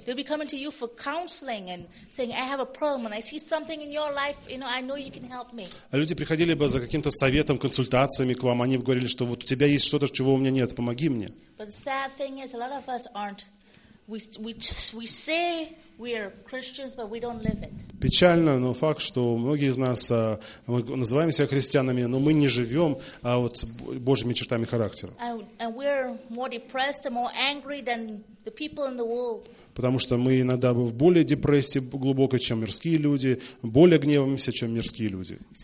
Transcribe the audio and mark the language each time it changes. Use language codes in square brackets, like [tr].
[en] They'll be coming to you for counseling and saying, "I have a problem and I see something in your life. You know, I know you can help me." [ru] А люди приходили бы за каким-то советом, консультациями к вам. Они бы говорили, что вот у тебя есть что-то, чего у меня нет, помоги мне. [en] But the sad thing is, a lot of us aren't. We say we are Christians, but we don't live it. [ru] Печально, но факт, что многие из нас мы называем себя христианами, но мы не живем вот с Божьими чертами характера. [en] And we're more depressed and more angry than the people in the world. [ru] Потому что мы иногда в более депрессии глубокой, чем мирские люди, более гневаемся, чем мирские люди.